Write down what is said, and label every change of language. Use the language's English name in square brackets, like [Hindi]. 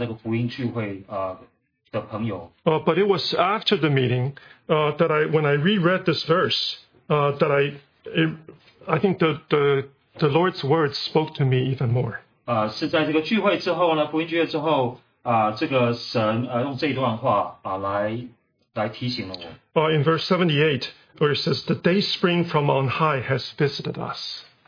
[Chinese] 我们的神是蛮有恩典的，触动了很多参加这个福音聚会的朋友。 [English] But it was after the meeting that when I reread this verse, I think the Lord's words spoke to me even more. [Chinese] 是在这个聚会之后呢，福音聚会之后，这个神用这段话来提醒了我。 [English] In verse 78, where it says, "The day spring from on high has visited us."